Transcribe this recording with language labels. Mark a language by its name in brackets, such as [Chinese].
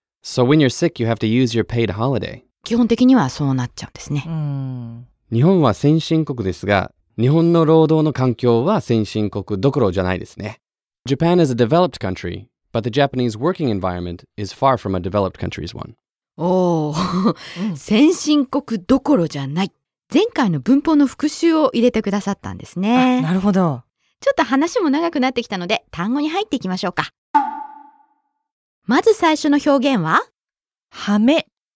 [English] So when you're sick, you have to use your paid holiday. [Japanese] 基本的にはそうなっちゃうんですね。うん、日本は先進国ですが、日本の労働の環境は先進国どころじゃないですね。 [English] Japan is a developed country, but the Japanese working environment is far from a developed country's one. [Japanese] おー、先進国どころじゃない。前回の文法の復習を入れてくださったんですね。あ、なるほど。ちょっと話も長くなってきたので、単語に入っていきましょうか。まず最初の表現は、ハメ。